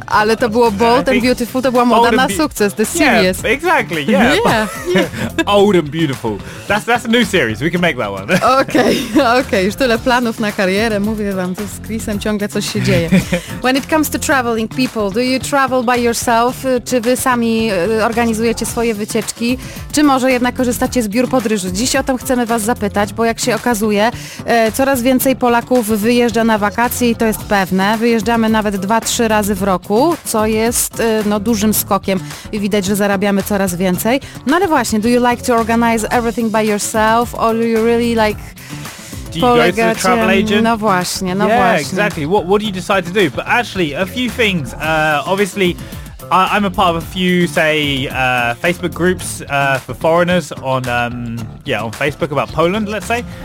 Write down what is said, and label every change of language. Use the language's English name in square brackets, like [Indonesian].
[Polish] Ale to było [English] bold and beautiful, [Polish] to była moda na sukces, [English] the series. Yeah, exactly, yeah. Yeah. Old and beautiful. That's a new series, we can make that one. [Polish] Okay, już tyle planów na karierę, mówię wam, to z Chrisem ciągle coś się dzieje. [English] When it comes to traveling people, do you travel by yourself? [Polish] Czy wy sami organizujecie swoje wycieczki? Czy może jednak korzystacie z biur podróży? Dziś o tym chcemy was zapytać, bo jak się okazuje, coraz więcej Polaków wyjeżdża na wakacje i to jest pewne. Wyjeżdżamy nawet 2-3 razy w roku, co jest no, dużym skokiem i widać, że zarabiamy coraz więcej. No ale właśnie, [English] do you like to organize everything by yourself or do you really like [Polish] polegacie? [English] Do you go to the travel agent? [Polish] No właśnie, no [English] yeah, [Polish] właśnie. [English] Yeah, exactly. What do you decide to do? But actually, a few things. Obviously, I'm a part of a few, say, Facebook groups for foreigners on Facebook about Poland, let's say.